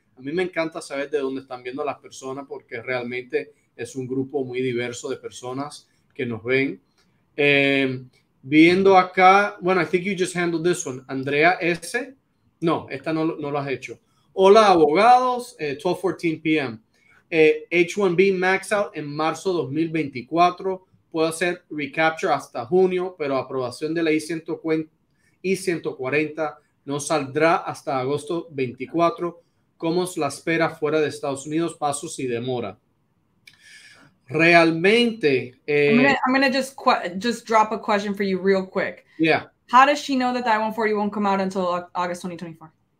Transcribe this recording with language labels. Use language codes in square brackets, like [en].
[es] A mí me encanta saber de dónde están viendo a las personas porque realmente es un grupo muy diverso de personas que nos ven. Viendo acá, bueno, [en] I think you just handled this one. [es] Andrea S. No, esta no lo has hecho. Hola, abogados, 12:14 p.m. H1B max out en marzo 2024. Puedo hacer recapture hasta junio, pero aprobación de la I-140 no saldrá hasta agosto 24. ¿Cómo es la espera fuera de Estados Unidos? Pasos y demora. Realmente. [en] I'm gonna just drop a question for you real quick. Yeah. How does she know that the I-140 won't come out until August 2024?